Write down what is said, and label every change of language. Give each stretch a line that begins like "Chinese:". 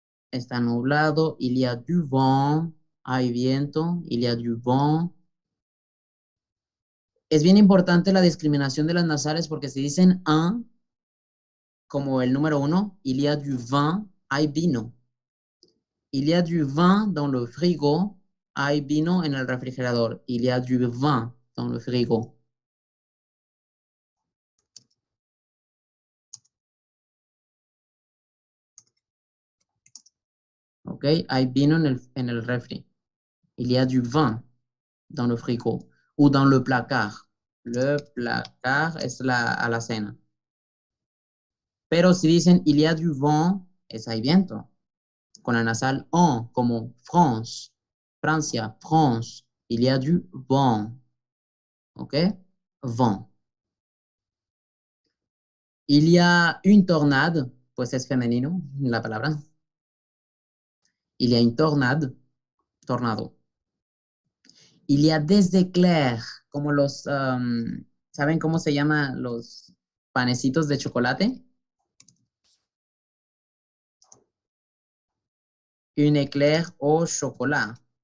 Spanish: Está nublado.
French: Il y a du vent.
Spanish: Hay viento.
French: Il y a du vent.
Spanish: Es bien importante la discriminación de las nasales porque si dicen un. Como el número uno,
French: il y a du vin,
Spanish: hay vino.
French: Il y a du vin dans le frigo,
Spanish: hay vino en el refrigerador.
French: Il y a du vin dans le frigo.
Spanish: Ok, hay vino en el refri.
French: Il y a du vin dans le frigo. O dans le placard. Le placard
Spanish: es la alacena. Pero si dicen
French: il y a du vent,
Spanish: es hay viento. Con la nasal on, como France, Francia, France,
French: il y a du vent.
Spanish: ¿Ok? Vent.
French: Il y a une tornade,
Spanish: pues es femenino la palabra.
French: Il y a une tornade, tornado. Il y a des éclairs,
Spanish: como los, ¿saben cómo se llama los panecitos de chocolate?
French: Un éclair au chocolat.